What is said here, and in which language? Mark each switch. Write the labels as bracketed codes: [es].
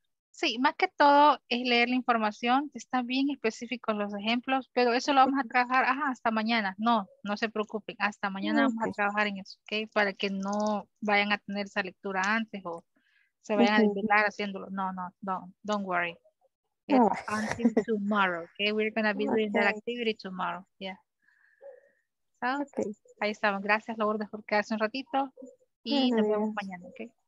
[es] Sí, más que todo es leer la información, están bien específicos los ejemplos, pero eso lo vamos a trabajar hasta mañana. No, no se preocupen, hasta mañana okay. Vamos a trabajar en eso, ¿ok? Para que no vayan a tener esa lectura antes o se vayan uh-huh. a desvelar haciéndolo. [en] No, no, no, don't worry. Until tomorrow, ¿ok? We're going to be doing that activity tomorrow, yeah. So, okay. [es] Ahí estamos, gracias Lourdes por quedarse un ratito y nos vemos mañana, ¿ok?